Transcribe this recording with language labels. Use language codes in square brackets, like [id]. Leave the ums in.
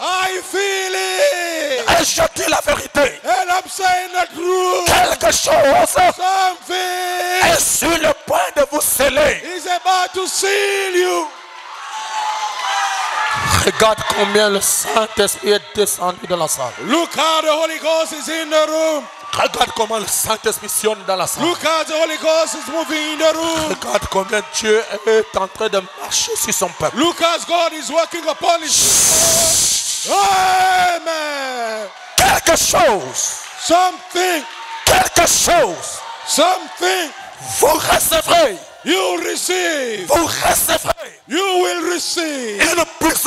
[en] I feel it. [fr] Et je dis la vérité. [en] And I'm saying the truth. [fr] Quelque chose. [en] Something. [fr] Est sur le point de vous sceller. [en] He's about to seal you. [fr] Regarde combien le Saint-Esprit est descendu dans la salle. [en] Look how the Holy Ghost is in the room. [fr] Regarde comment le Saint-Esprit sionne dans la salle. [en] Look how the Holy Ghost is moving in the room. [fr] Regarde combien Dieu est en train de marcher sur son peuple. [en] Look how God is working upon his oh, oh, oh, Amen. [fr] Quelque chose. [en] Something. [fr] Quelque chose. Something. Vous recevrez. [en] You receive. [fr] Vous recevrez. [en] You will receive. [fr] Et une puissance.